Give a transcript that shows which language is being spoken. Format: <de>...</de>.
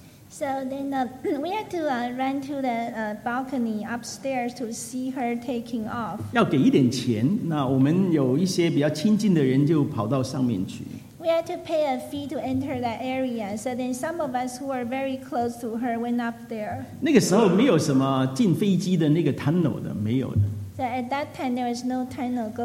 <en>So then we had to run to the balcony upstairs to see her taking off.</en> <zh>要给一点钱，那我们有一些比较亲近的人就跑到上面去。</zh> <en>We had to pay a fee to enter that area. So then some of us who were very close to her went up there.</en> <zh>那个时候没有什么进飞机的那个tunnel的，没有的。</zh> <en>So at that time there was no tunnel going to the airport.</en>